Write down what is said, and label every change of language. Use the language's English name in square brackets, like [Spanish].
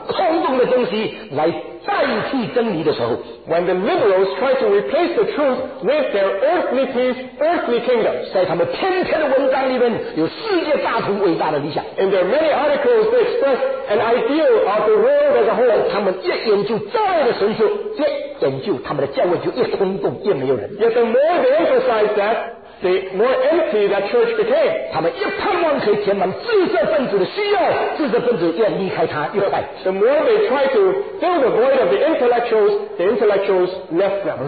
[Chinese] 所以新派的人用他们理想、菜、世界的和平、社会的福音、整个世界怎么样建立地上的天国那种空洞的东西来代替真理的时候， [English] When the liberals try to replace the truth with their earthly peace, earthly kingdom, [Chinese] 在他们天天的文章里面有世界大同伟大的理想， [English] In their many articles they express an ideal of the world as a whole. [Chinese] 他们越研究教会的神学， 拯救他们的教会就越空洞，越没有人。 [English] Yet the more they emphasize that, the more empty that church became. [Chinese] 他们越盼望可以填满知识分子的需要，知识分子越离开他，越坏。 [English] The more they try to fill the void of the intellectuals left them.